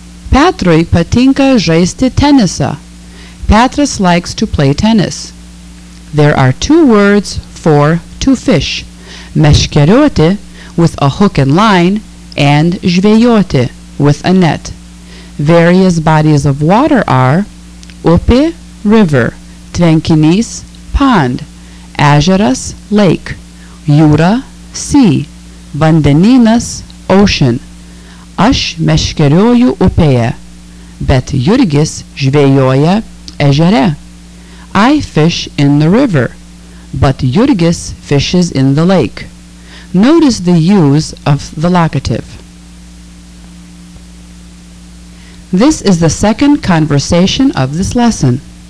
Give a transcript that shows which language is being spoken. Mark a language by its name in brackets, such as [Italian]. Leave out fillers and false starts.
[Lithuanian] Petrui patinka žaisti tenisą. [English] Petras likes to play tennis. There are two words for to fish: meškerioti, with a hook and line, and žvejoti, with a net. Various bodies of water are upė, river; tvenkinys, pond; ežeras, lake; jūra, sea; vandenynas, ocean. [Lithuanian] Aš meškerioju upėje, bet Jurgis žvejoja ežere. [English] I fish in the river, but Jurgis fishes in the lake. Notice the use of the locative. This is the second conversation of this lesson.